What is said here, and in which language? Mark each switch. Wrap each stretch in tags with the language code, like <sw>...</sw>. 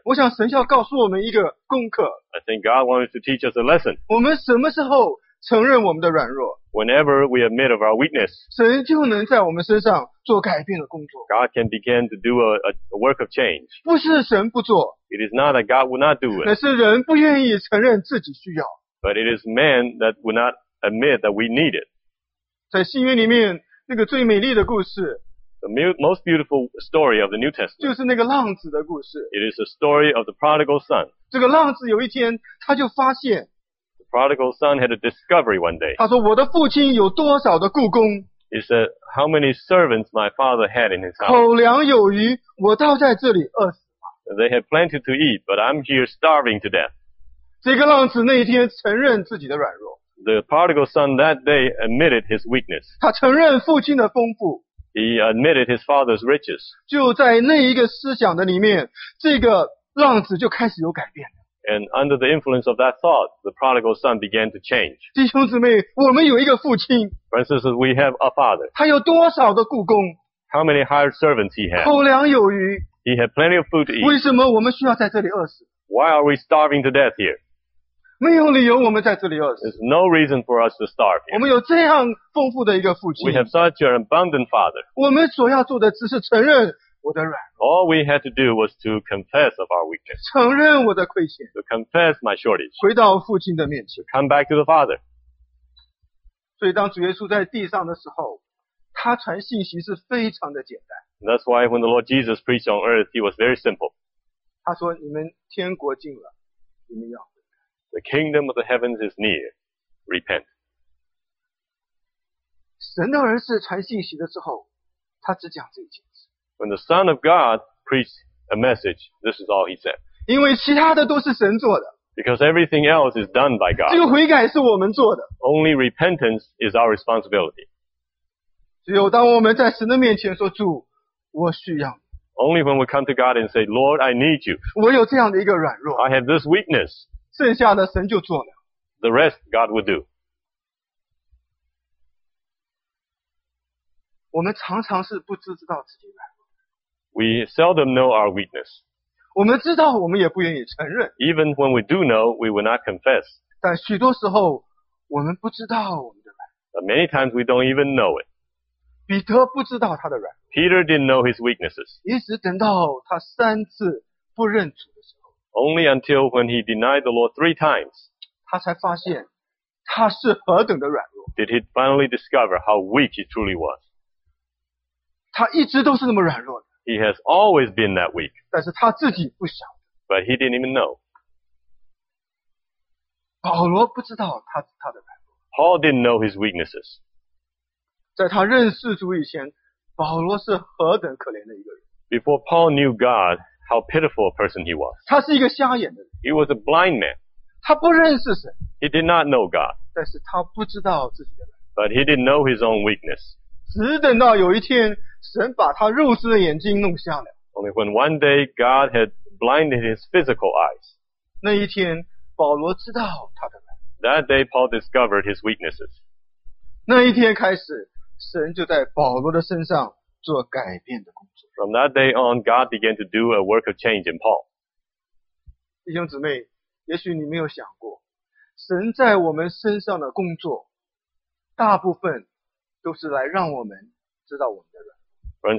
<zh>我想神要告诉我们一个功课。</zh> <en>I think God wants to teach us a lesson.</en> <zh>我们什么时候承认我们的软弱？</zh> <en>Whenever we admit of our weakness,</en> <zh>神就能在我们身上做改变的工作。</zh> <en>God can begin to do a work of change.</en> <zh>不是神不做。</zh> <en>It is not that God will not do it.</en> <zh>而是人不愿意承认自己需要。</zh> <en>But it is man that will not admit that we need it.</en> <zh>在新约里面，那个最美丽的故事。</zh> <en>The most beautiful story of the New Testament.</en> <zh>就是那个浪子的故事。</zh> <en>It is the story of the prodigal son.</en> <zh>这个浪子有一天，他就发现。</zh> <en>The prodigal son had a discovery one day.</en> <zh>他说，我的父亲有多少的雇工。</zh> <en>He said, how many servants my father had in his house.</en> <zh>口粮有余，我倒在这里饿死了。</zh> <en>They had plenty to eat, but I'm here starving to death.</en> <zh>这个浪子那一天承认自己的软弱。</zh> <en>The prodigal son that day admitted his weakness.</en> <zh>他承认父亲的丰富。</zh> <en>He admitted his father's riches.</en> <zh>就在那一个思想的里面，这个浪子就开始有改变。</zh> <en>And under the influence of that thought, the prodigal son began to change.</en> <zh>弟兄姊妹，我们有一个父亲。</zh> <en>Francis, we have a father.</en> <zh>他有多少的雇工？</zh> <en>How many hired servants he had?</en> <zh>口粮有余。</zh> <en>He had plenty of food to eat.</en> <zh>为什么我们需要在这里饿死？</zh> <en>Why are we starving to death here?</en> <zh>没有理由我们在这里饿死。</zh> <en>There's no reason for us to starve here.</en> <zh>我们有这样丰富的一个父亲。</zh> <en>We have such an abundant father.</en> <zh>我们所要做的只是承认我的软弱。</zh> <en>All we had to do was to confess of our weakness.</en> <zh>承认我的亏欠。</zh> <en>To confess my shortage.</en> <zh>回到父亲的面前。</zh> <en>Come back to the father.</en> <zh>所以当主耶稣在地上的时候，他传信息是非常的简单。</zh> <en>That's why when the Lord Jesus preached on earth, he was very simple.</en> <zh>他说，你们天国近了，你们要。</zh> <en>The kingdom of the heavens is near. Repent.</en> <zh>神的儿子传信息的时候，他只讲这一件事。</zh> <en>When the Son of God preached a message, this is all he said.</en> <zh>因为其他的都是神做的。</zh> <en>Because everything else is done by God.</en> <zh>只有悔改是我们做的。</zh> <en>Only repentance is our responsibility.</en> <zh>只有当我们在神的面前说，主，我需要你。</zh> <en>Only when we come to God and say, Lord, I need you.</en> <zh>我有这样的一个软弱。</zh> <en>I have this weakness.</en> <zh>剩下的神就做了。</zh> <en>The rest God will do.</en> <zh>我们常常是不知道自己软弱。</zh> <en>We seldom know our weakness.</en> <zh>我们知道，我们也不愿意承认。</zh> <en>Even when we do know, we will not confess.</en> <zh>但许多时候，我们不知道我们的软弱。</zh> <en>But many times we don't even know it.</en> <zh>彼得不知道他的软弱。</zh> <en>Peter didn't know his weaknesses.</en> <zh>一直等到他三次不认主的时候。</zh> <en>Only until when he denied the Lord three times,</en> <zh>他才发现他是何等的软弱。</zh> <en>Did he finally discover how weak he truly was?</en> <zh>他一直都是那么软弱的。</zh> <en>He has always been that weak.</en> <zh>但是他自己不晓得。</zh> <en>But he didn't even know.</en> <zh>保罗不知道他的软弱。</zh> <en>Paul didn't know his weaknesses.</en> <zh>在他认识主以前，保罗是何等可怜的一个人。</zh> <en>Before Paul knew God,How pitiful a person he was.</en> <zh>他是一个瞎眼的人。</zh> <en>He was a blind man.</en> <zh>他不认识神。</zh> <en>He did not know God.</en> <zh>但是他不知道自己的软弱。</zh> <en>But he didn't know his own weakness.</en> <zh>只等到有一天，神把他肉身的眼睛弄瞎了。</zh> <en>Only when one day God had blinded his physical eyes.</en> <zh>那一天，保罗知道他的软弱。</zh> <en>That day Paul discovered his weaknesses.</en> <zh>那一天开始，神就在保罗的身上做改变的工作。</zh> <en>From that day on, God began to do a work of change in Paul.</en> <zh>弟兄姊妹，也许你没有想过，神在我们身上的工作，大部分都是来让我们知道我们的软弱。</zh>